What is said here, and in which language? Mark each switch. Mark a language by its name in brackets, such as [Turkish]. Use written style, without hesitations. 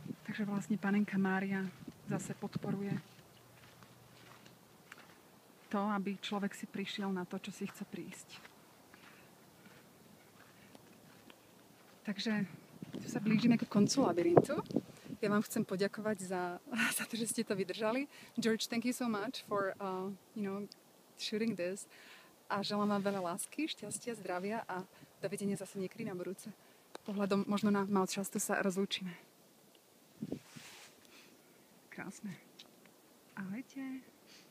[Slovak] Takže vlastne Panenka Mária zase podporuje to, aby človek si prišiel na to, čo si chce prísť. Takže tu sa blížime k koncu labyrintu. Ja vám chcem poďakovať za to, že ste to vydržali. [English] George, thank you so much for shooting this. [Slovak] A želám vám veľa lásky, šťastia, zdravia a dovidenia zase niekedy na budúce. Pohľadom možno na malo často sa rozlúčime. Krásne. Ahojte.